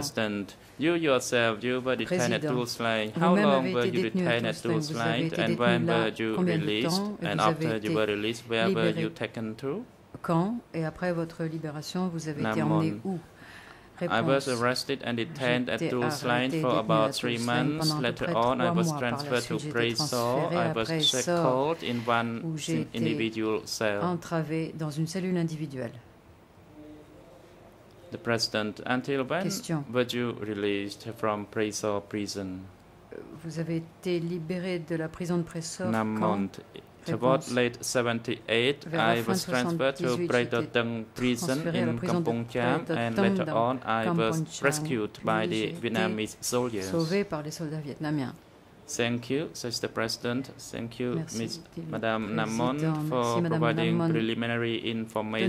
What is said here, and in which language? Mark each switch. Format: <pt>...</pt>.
<en>President, you yourself, you were detained at Tulsline. How long were you detained at Tulsline, and when were you released? And after you were released, where were you taken to?</en> <fr>Quand et après votre libération, vous avez été emmené où?</fr> <en>I was arrested and detained at Tulsline for about 3 months. Later on, I was transferred to prison. I was shackled in one individual cell.</en> <fr>Entravé dans une cellule individuelle.</fr> <en>The president, until when were you released from prison?</en> <fr>Vous avez été libéré de la prison de prison quand?</fr> <en>Namont. About late 78, I was transferred to Preto Tung prison in Kampong Cham, and later on, I was rescued by the Vietnamese soldiers.</en> <fr>Sauvé par les soldats vietnamiens.</fr> <en>Thank you, says the President. Thank you, Ms. Madame Namon, for providing preliminary information.</en>